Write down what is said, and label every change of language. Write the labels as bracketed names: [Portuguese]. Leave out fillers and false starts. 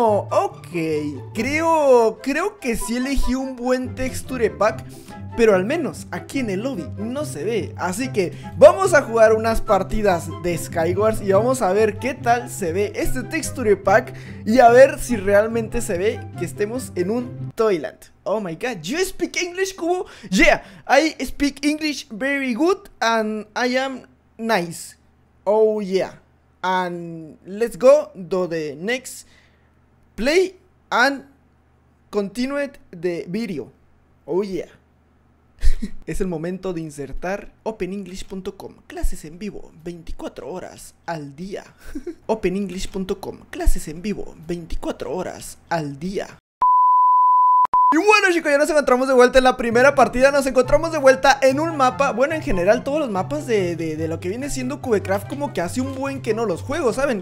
[Spanish] Ok, creo que sí elegí un buen texture pack, pero al menos aquí en el lobby no se ve. Así que vamos a jugar unas partidas de Skywars y vamos a ver qué tal se ve este texture pack y a ver si realmente se ve que estemos en un Toyland. [English] Oh my god, you speak English, Kubo? Yeah, I speak English very good and I am... nice. Oh yeah. And let's go to the next play and continue the video. [Spanish] Oh yeah. Es el momento de insertar openenglish.com. Clases en vivo 24 horas al día. openenglish.com. Clases en vivo 24 horas al día. Y bueno chicos, ya nos encontramos de vuelta en la primera partida. Nos encontramos de vuelta en un mapa. Bueno, en general todos los mapas de lo que viene siendo Cubecraft, como que hace un buen que no los juego, ¿saben?